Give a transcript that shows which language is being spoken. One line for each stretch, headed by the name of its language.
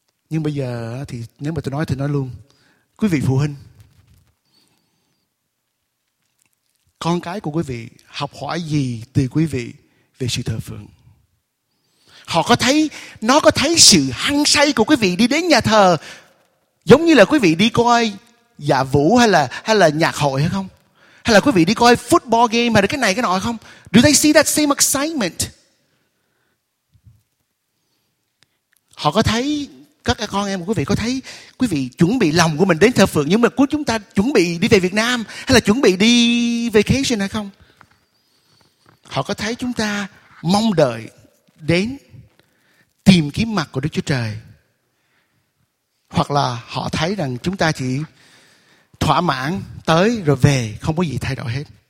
Vietnamese: Nhưng bây giờ thì nếu mà tôi nói thì nói luôn, quý vị phụ huynh, con cái của quý vị học hỏi gì từ quý vị về sự thờ phượng? Họ có thấy, nó có thấy sự hăng say của quý vị đi đến nhà thờ giống như là quý vị đi coi dạ vũ hay là nhạc hội hay không? Hay là quý vị đi coi football game hay là cái này cái nọ không?
English: Do they see that same excitement?
Vietnamese: Họ có thấy, các con em của quý vị có thấy quý vị chuẩn bị lòng của mình đến thờ phượng nhưng mà của chúng ta chuẩn bị đi về Việt Nam hay là chuẩn bị đi vacation hay không? Họ có thấy chúng ta mong đợi đến tìm kiếm mặt của Đức Chúa Trời, hoặc là họ thấy rằng chúng ta chỉ thỏa mãn tới rồi về, không có gì thay đổi hết?